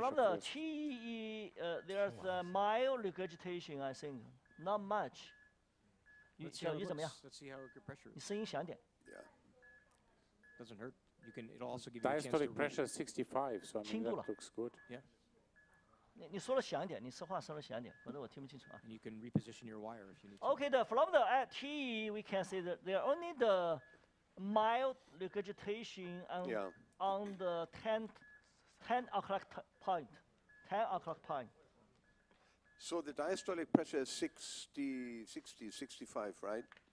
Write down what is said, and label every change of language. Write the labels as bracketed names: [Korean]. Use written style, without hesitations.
[English] From the TEE, there's a mild regurgitation, I think. Not much. Let's see how good pressure is. [Chinese] 你声音响点。 [English] Yeah. Doesn't hurt. It'll also give you a chance to diastolic pressure is 65, so I mean that looks good. Yeah. [Chinese] 你说了响点,你说话说了响点,否则我听不清楚啊。 [English] And you can reposition your wire if you need okay, to. Okay, from the TEE, we can see that there are only the mild regurgitation on the 10 o'clock point, 10 o'clock point. So the diastolic pressure is 60, 65, right?